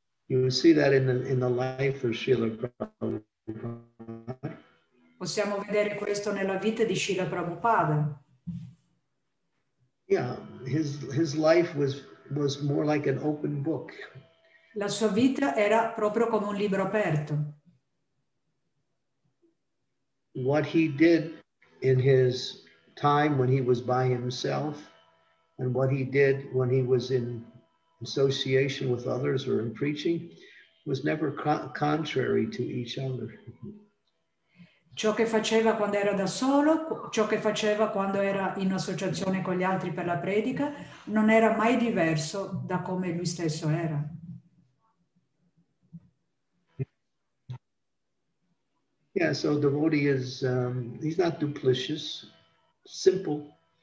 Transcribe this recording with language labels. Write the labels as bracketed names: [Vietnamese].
[English] You see that in the life of Srila Prabhupada. [Italian] Possiamo vedere questo nella vita di Srila Prabhupada. [English] Yeah, his life was more like an open book. [Italian] La sua vita era proprio come un libro aperto. [English] What he did in his time when he was by himself and what he did when he was in association with others or in preaching was never contrary to each other. [Italian] Ciò che faceva quando era da solo, ciò che faceva quando era in associazione con gli altri per la predica, non era mai diverso da come lui stesso era. [English] Yeah, so the devotee is he's not duplicitous, simple.